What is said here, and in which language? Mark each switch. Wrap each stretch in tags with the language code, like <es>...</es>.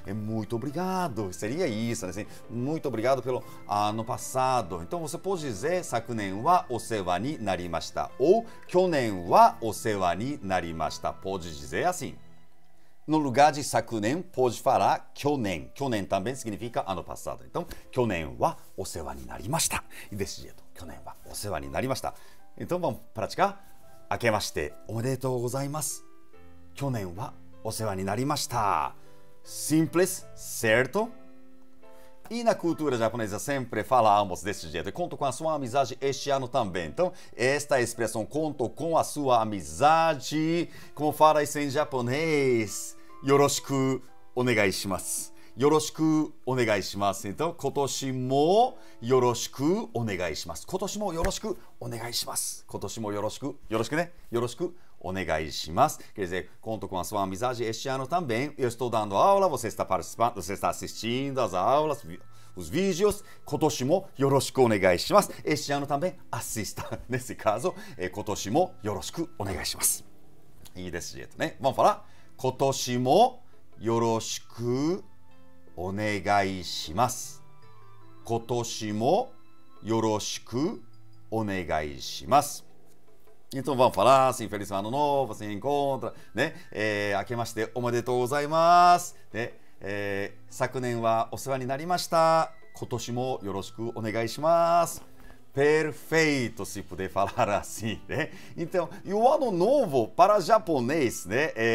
<pt>Muito obrigado. Seria isso, né? Muito obrigado pelo ano passado. Então, você pode dizer,</pt> <ja>sakunen wa osewa ninarimashita.</ja> <pt>Ou,</pt> <ja>kyonen wa osewa ninarimashita.</ja> <pt>Pode dizer assim. No lugar de sakunen, pode falar kyonen. Kyonen também significa ano passado. Então,</pt> <ja>kyonen wa osewa ninarimashita.</ja> <pt>E desse jeito.</pt> <ja>去年はお世話になりました。</ja> <pt>Então vamos praticar?</pt> <ja>明けましておめでとうございます。去年はお世話になりました。</ja> <pt>Simples, certo? E na cultura japonesa sempre falamos desse jeito. Conto com a sua amizade este ano também. Então, esta expressão, conto com a sua amizade, como fala isso em japonês?</pt> <ja>よろしくお願いします。よろしくお願いします。 Então, 今年もよろしくお願いします。今年もよろしくお願いします。今年もよろしく、よろしくね。よろしくお願いします。</ja> <pt>Quer dizer, conto com a sua amizade este ano também. Eu estou dando aula, você está participando, você está assistindo as aulas, os vídeos.</pt> <ja>今年もよろしくお願いします。</ja> <pt>Este ano também, assista. Nesse caso,</pt> <ja>今年もよろしくお願いします。いいですよね。</ja> <pt>Vamos falar?</pt> <ja>今年もよろしくお願いします。今年もよろしくお願いします。</ja> <pt>Então vamos falar assim, feliz ano novo, se encontra, né?</pt> <ja>明けましておめでとうございます。で、昨年はお世話になりました。今年もよろしくお願いします。</ja> <pt>Perfeito, se puder falar assim, né? Então, e o ano novo para japonês, né?</pt>